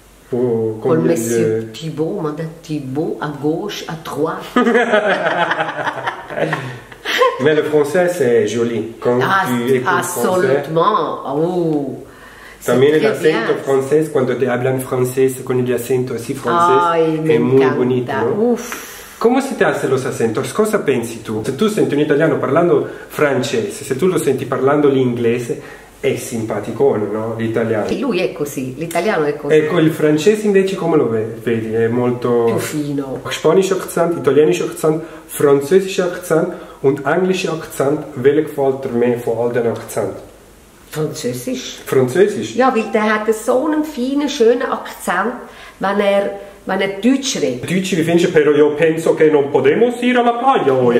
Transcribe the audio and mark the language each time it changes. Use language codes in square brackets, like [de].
[fr] Pour Monsieur Thibault, Madame Thibault, à gauche, à droite. Mais le français c'est joli quand tu écoutes français. Absolument. Oh. [es] También el acento francés, cuando te hablan francés con el acento así francés, es muy bonito, ¿no? ¿Cómo se te hacen los acentos? [it] ¿Cosa pensi tú? [es] Si tú sientes un italiano hablando francés, si tú lo sientes hablando inglés, es simpático, ¿no? [it] L'italiano. [es] Y lui es así, l'italiano es así. [it] Ecco, [es] el francés, [it] invece, [es] ¿cómo [it] lo vedi? [es] Es [it] molto. Più fino. [de] Spanisch accent, italienisch accent, französisch accent und englisch accent. Welche gefällt dir mehr von all den Akzenten? Französisch? Ja, weil der hat so einen feinen, schönen Akzent, wenn er Deutsch redet. Deutsch, wie findest du? [it] Però io penso che non potremmo uscire alla paglia oggi, eh?